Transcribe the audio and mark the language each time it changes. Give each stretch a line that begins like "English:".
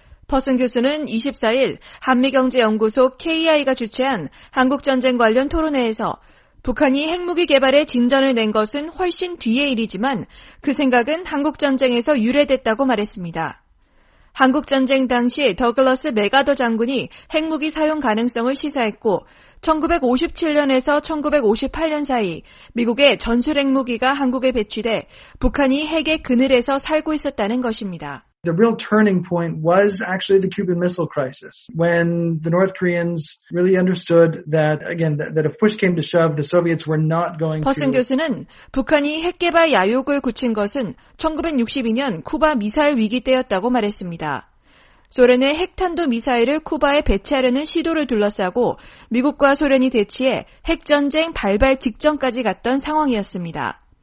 Korean: 퍼슨 교수는 24일 한미경제연구소 KI가 주최한 한국전쟁 관련 토론회에서 북한이 핵무기 개발에 진전을 낸 것은 훨씬 뒤의 일이지만 그 생각은 한국전쟁에서 유래됐다고 말했습니다. 한국전쟁 당시 더글러스 맥아더 장군이 핵무기 사용 가능성을 시사했고 1957년에서 1958년 사이 미국의 전술 핵무기가 한국에 배치돼 북한이 핵의 그늘에서 살고 있었다는 것입니다.
English: The real turning point was actually the Cuban Missile Crisis when the North Koreans really understood that again that if push came to shove, the Soviets were not going.
Korean: 퍼슨 교수는 북한이 핵 개발 야욕을 굳힌 것은 1962년 쿠바 미사일 위기 때였다고 말했습니다. 소련의 핵탄도 미사일을 쿠바에 배치하려는 시도를 둘러싸고 미국과 소련이 대치해 핵 전쟁 발발 직전까지 갔던 상황이었습니다.